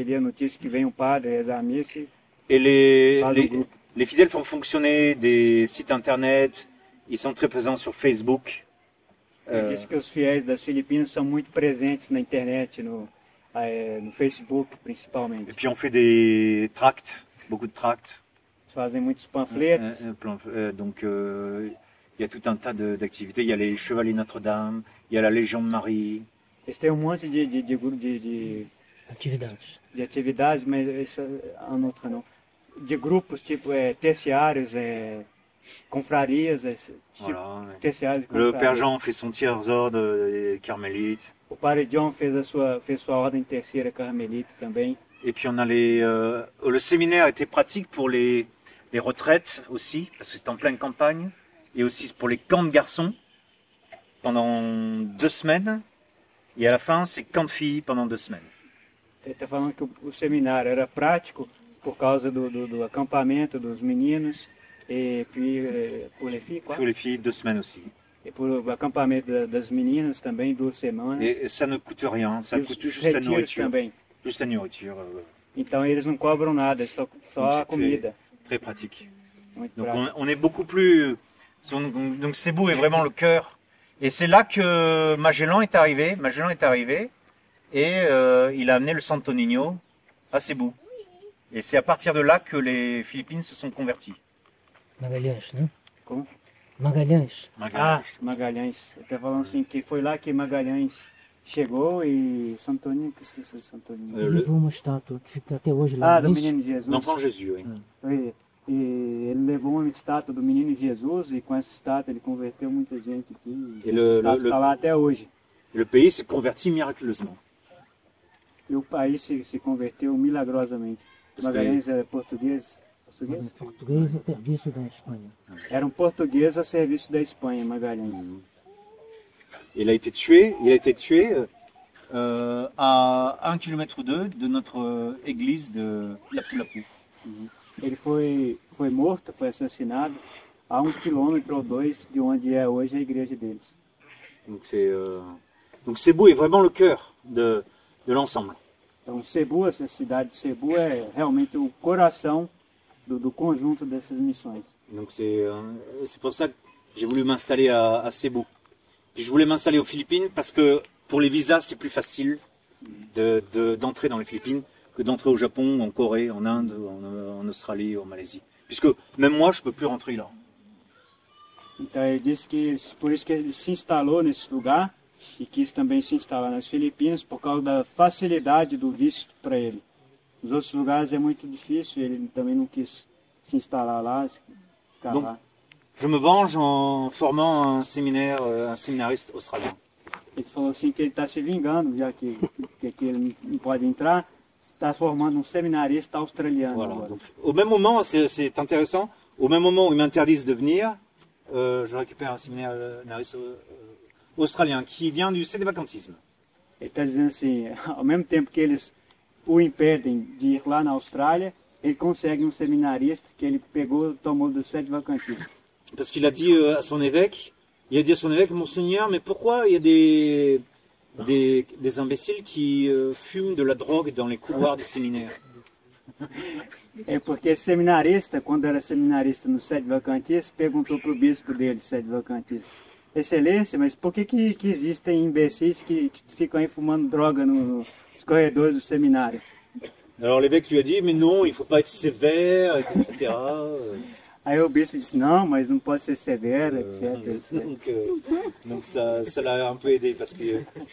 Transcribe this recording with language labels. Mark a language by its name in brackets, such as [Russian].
[Portuguese] Ali a notícia que vem um padre rezar a missa e [French] Les fidèles font fonctionner des sites internet, ils sont très présents sur Facebook. Ils disent que les fiéis des Philippines sont très présents sur internet, [Portuguese] no Facebook principalement. [French] Et puis on fait des tracts, beaucoup de tracts. Ils font beaucoup de pamphlets. Donc il y a tout un tas d'activités. Il y a les Chevaliers Notre-Dame, il y a la Légion de Marie. Et c'était un monde d'activités. D'activités, mais un autre nom. [Portuguese] De grupos tipo terciários, confrarias, terciários. [French] Le Père Jean fait son tiers ordre carmélite. [Portuguese] O Padre John fez sua ordem terceira carmélite também. [French] Et puis on a le séminaire était pratique pour les retraites aussi, parce que c'était en pleine campagne, et aussi pour les camps de garçons pendant deux semaines, et à la fin c'est camp de filles pendant deux semaines. [Portuguese] Ele está falando que o seminário era prático por causa do acampamento dos meninos e por [French] les filles, quoi? Pour les filles, deux semaines aussi. [Portuguese] E por o acampamento das meninas também, duas semanas. [French] Et ça ne coûte rien, ça coûte juste la nourriture. [Portuguese] Também. [French] Juste la nourriture. [Portuguese] Então eles não cobram nada, é só a comida. [French] Très pratique. Donc on est beaucoup plus. Donc Cebu est vraiment le cœur. Et c'est là que Magellan est arrivé et il a amené le Santo Niño à Cebu. Et c'est à partir de là que les Philippines se sont converties. [Portuguese] Magalhães, né? Como? Magalhães. Ah, Magalhães. Estava falando assim que foi lá que Magalhães chegou e Santo Niño, que esqueci de Santo Niño. Ele levou uma estátua que fica até hoje lá. Ah, do Menino Jesus. Não foi Jesus, hein? E ele levou uma estátua do Menino Jesus e com essa estátua ele converteu muita gente aqui. E essa estátua está lá até hoje. E o país se converteu miraculosamente. E o país se converteu milagrosamente. Magalhães era português a serviço da Espanha. Era um português a serviço da Espanha, Magalhães. [French] Ele a été tué, il a été tué à 1 km 2 de notre église de Lapu-Lapu. [Portuguese] Ele foi morto, foi assassinado a 1 km ou 2 de onde é hoje a igreja deles. [French] Donc Cebu est vraiment le cœur de l'ensemble. [Portuguese] Então Cebu, essa cidade de Cebu é realmente o coração do conjunto dessas missões. [French] Donc c'est pour ça que j'ai voulu m'installer à Cebu. Puis je voulais m'installer aux Philippines parce que pour les visas, c'est plus facile d'entrer dans les Philippines que d'entrer au Japon, en Corée, en Inde, en Australie, en Malaisie. Puisque même moi, je peux plus rentrer là. [Portuguese] Então ele disse que por isso que ele se instalou nesse lugar. E quis também se instalar nas Filipinas por causa da facilidade do visto para ele. Nos outros lugares é muito difícil, ele também não quis se instalar lá, ficar [French] Donc, [Portuguese] lá. [French] Je me venge en formant un séminariste australien. [Portuguese] Ele falou assim que ele está se vingando, já que ele não pode entrar, está formando um seminarista australiano. [French] Voilà. Au même moment, c'est intéressant, au même moment où ils m'interdisent de venir, je récupère un séminariste australien qui vient du sédévacantisme. [Portuguese] Ele está dizendo assim, ao mesmo tempo que eles o impedem de ir lá na Austrália, ele consegue um seminarista que ele pegou, tomou do sédévacantisme. [French] Parce qu'il a dit à son évêque, il a dit à son évêque, Monseigneur, mais pourquoi il y a des imbéciles qui fument de la drogue dans les couloirs du séminaire? [Portuguese] É porque esse seminarista, quando era seminarista no sédévacantisme, perguntou pro bispo dele, sédévacantisme. Excelência, mas por que existem imbecis que ficam aí fumando droga nos corredores do seminário? [French] Alors l'évêque lui a dit, mais non, il faut pas être sévère, etc. [Portuguese] Aí o bispo disse, não, mas não pode ser severo, etc. [French] Donc ça l'a un peu aidé, parce que...